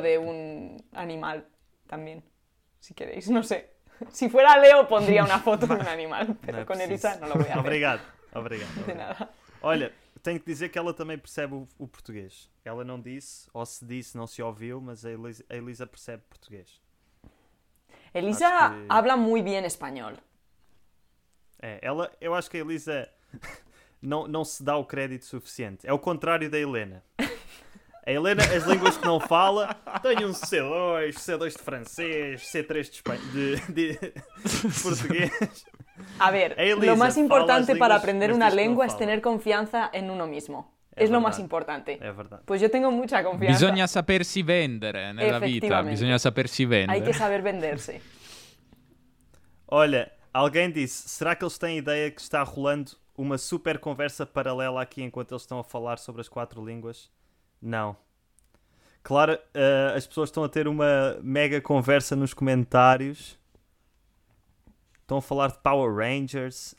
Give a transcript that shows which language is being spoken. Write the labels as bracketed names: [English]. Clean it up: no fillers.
[Spanish] di un animal también, si queréis. No sé. Si fuera Leo, pondría una foto [Italian] di un animal, però [Spanish] con Elisa non lo voy a hacer. [Portuguese] Obrigado, obrigado. [Spanish] De nada. [Portuguese] Olha... Tenho que dizer que ela também percebe o português. Ela não disse, ou se disse, não se ouviu, mas a Elisa percebe português. [Spanish] Elisa que... habla muy bien español. [Portuguese] É, ela, eu acho que a Elisa não se dá o crédito suficiente. É o contrário da Helena. A Helena, as línguas que não fala, tem um C2, C2 de francês, C3 de espanhol, de português. [Spanish] A ver, Elisa, lo más importante para aprender una lengua es tener confianza en uno mismo. Es lo más importante. Es verdad. Pues yo tengo mucha confianza. [Italian] Bisogna sapersi vendere nella vita. Bisogna sapersi vendere. [Spanish] Hay que saber venderse. Olha, alguien dice, ¿será que ellos tienen idea que [Portuguese] está rolando [Spanish] una super conversa paralela aquí [Portuguese] enquanto [Spanish] ellos están a hablar sobre las cuatro lenguas? No. Claro, las personas están a tener una mega conversa en los comentarios. [Portuguese] Estão a falar de Power Rangers.